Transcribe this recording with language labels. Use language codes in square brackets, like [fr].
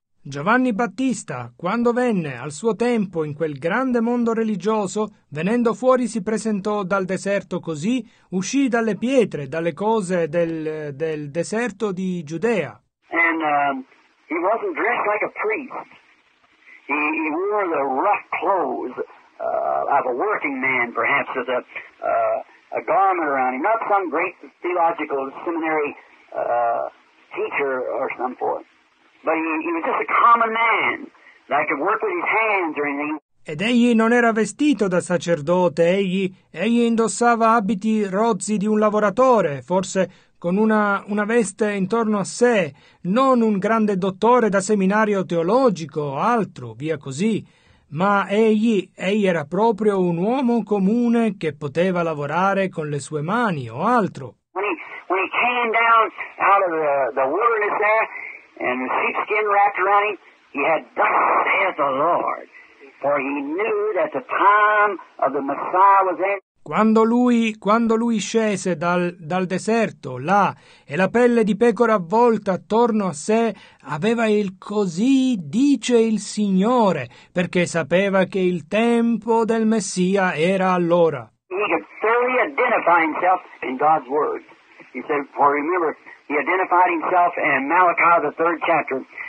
[it] Giovanni Battista, quando venne al suo tempo in quel grande mondo religioso, venendo fuori si presentò dal deserto così, uscì dalle pietre, dalle cose del deserto di Giudea. [en] And he wasn't dressed like a priest. He wore the rough clothes of a working man, perhaps, with a garment around him, not some great theological seminary teacher or some sort. But he was just a common man that could work with his hands or anything. [it] Ed egli non era vestito da sacerdote, egli indossava abiti rozzi di un lavoratore, forse con una veste intorno a sé, non un grande dottore da seminario teologico o altro, via così, ma egli era proprio un uomo comune che poteva lavorare con le sue mani o altro. [en] When he came down out of the wilderness there, and the sheepskin wrapped around him, he had thus saith the Lord, for he knew that the time of the Messiah was in. [it] Quando lui scese dal deserto, là, e la pelle di pecora avvolta attorno a sé, aveva il così dice il Signore, perché sapeva che il tempo del Messia era allora. [en] He could fairly identify himself in God's word. He said, for remember, he identified himself in Malachi, the third chapter.